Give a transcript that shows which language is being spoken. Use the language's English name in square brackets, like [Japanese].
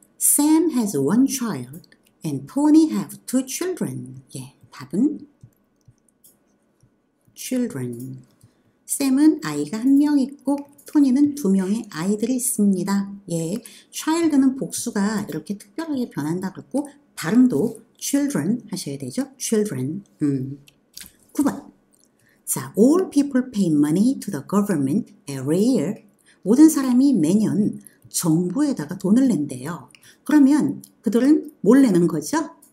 [English] Sam has one child and Tony have two children. [Korean] 예, 답은 children. 샘은 아이가 한명 있고, 토니는 두 명의 아이들이 있습니다. 예, child는 복수가 이렇게 특별하게 변한다고 했고, 발음도 children 하셔야 되죠. children. 9번. [English] 자, all people pay money to the government every year. [Korean] 모든 사람이 매년 정부에다가 돈을 낸대요. 그러면 그들은 뭘 내는 거죠?